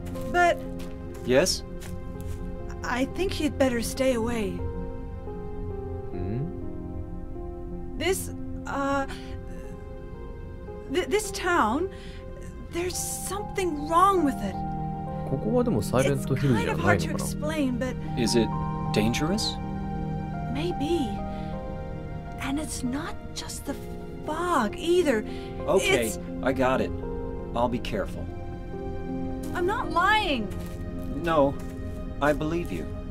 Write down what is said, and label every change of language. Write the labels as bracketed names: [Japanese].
[English] But... Yes? I think you'd better stay away. Hmm? This town... There's something wrong with it. [Japanese] ここはでもサイレントヒルじゃないのかな? [English] It's kind of hard to explain, but... Is it dangerous? Maybe. And it's not just the... Fog either. Okay,、 It's... I got it. I'll be careful. I'm not lying. No, I believe you.